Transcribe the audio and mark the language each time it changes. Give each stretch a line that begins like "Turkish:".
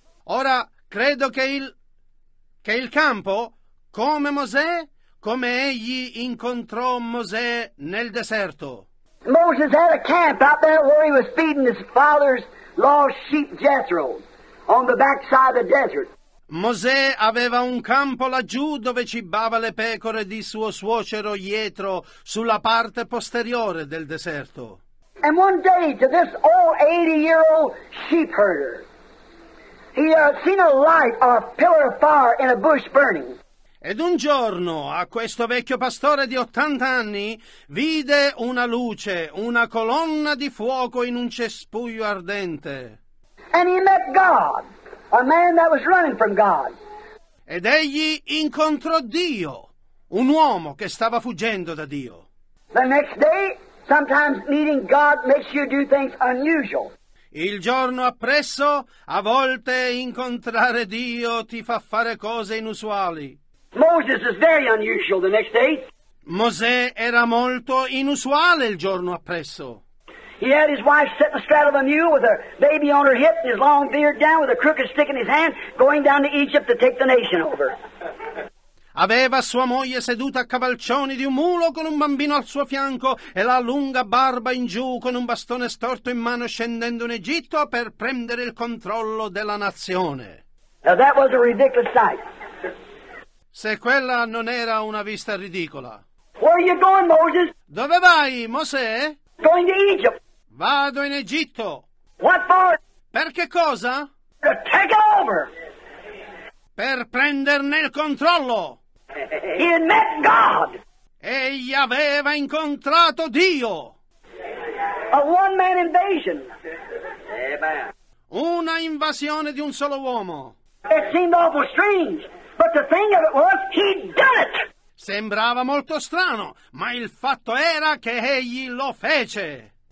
Italian: Ora, credo che il campo, come Mosè, come egli incontrò Mosè nel deserto.
English: Moses had a camp out there where he was feeding his father's lost sheep Jethro on the backside of the desert.
Italian: Mosè aveva un campo laggiù dove cibava le pecore di suo suocero Jethro sulla parte posteriore del deserto.
English: And one day to this old 80-year-old sheep herder, he had seen a light or a pillar of fire in a bush burning.
Italian: Ed un giorno a questo vecchio pastore di 80 anni vide una luce, una colonna di fuoco in un cespuglio ardente.
English: And he met God. A man that was running from God.
Italian: Ed egli incontrò Dio, un uomo che stava fuggendo da Dio.
English: The next day, sometimes meeting God makes you do things unusual.
Italian: Il giorno appresso, a volte incontrare Dio ti fa fare cose inusuali.
English: Moses is very unusual the next day.
Italian: Mosè era molto inusuale il giorno appresso.
English: He had his wife sitting astraddle of a mule with her baby on her hip and his long beard down with a crooked stick in his hand going down to Egypt to take the nation over.
Italian: Aveva sua moglie seduta a cavalcioni di un mulo con un bambino al suo fianco e la lunga barba in giù con un bastone storto in mano scendendo in Egitto per prendere il controllo della nazione.
English: Now that was a ridiculous sight.
Italian: Se quella non era una vista ridicola.
English: Where are you going, Moses?
Italian: Dove vai, Mosè?
English: Going to Egypt.
Italian: Vado in Egitto.
English: What for?
Italian: Per che cosa?
English: To take over.
Italian: Per prenderne il controllo.
English: He had met God.
Italian: Egli aveva incontrato Dio.
English: A one man invasion.
Italian: Una invasione di un solo uomo.
English: It seemed awful strange, but the thing of it was, he'd done it.
Italian: Sembrava molto strano, ma il fatto era che egli lo fece.